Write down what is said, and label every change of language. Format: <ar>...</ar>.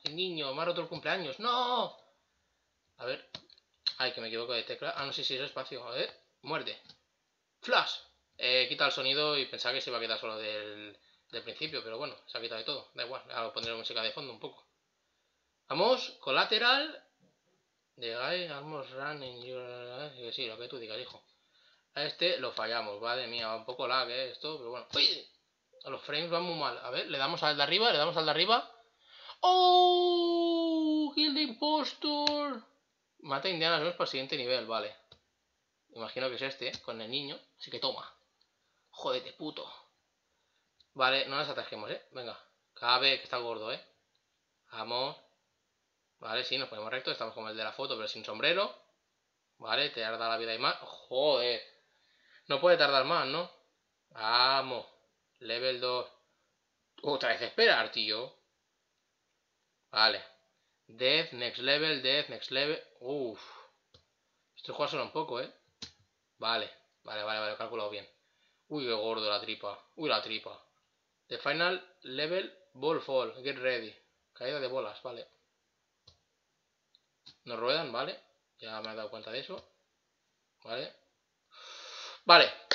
<es>El niño, me ha roto el cumpleaños. ¡No! A ver. Ay, que me equivoco de tecla. Ah, no sé si es espacio. A ver. Muerte. ¡Flash! Quita el sonido y pensaba que se iba a quitar solo del principio. Pero bueno, se ha quitado de todo. Da igual. Ahora pondré la música de fondo un poco. Vamos. Collateral.</es> <en>The guy almost ran in your...</en> <es>Sí, lo que tú digas, hijo. A este lo fallamos. Madre mía, va un poco lag, esto. Pero bueno. ¡Uy! A los frames van muy mal. A ver, le damos al de arriba. Le damos al de arriba. ¡Oh!</es> <en>¡Kill the impostor!</en> <es>Mata a Indiana Jones para el siguiente nivel, vale. Imagino que es este, ¿eh? Con el niño. Así que toma. Jódete, puto. Vale, no las atajemos, ¿eh? Venga. Cabe, que está gordo, ¿eh? Vamos. Vale, sí, nos ponemos recto. Estamos como el de la foto, pero sin sombrero. Vale, te tarda la vida y más. ¡Joder! No puede tardar más, ¿no? Vamos. Level 2. Otra vez esperar, tío. Vale.</es> <en>Death, next level, death, next level. Uff.</en> <es>Estoy jugando solo un poco, ¿eh? Vale. Vale. He calculado bien. Uy, qué gordo la tripa. Uy, la tripa.</es> <en>The final level, ball fall. Get ready.</en> <es>Caída de bolas, vale. Nos ruedan, ¿vale? Ya me he dado cuenta de eso. Vale. Vale.</es>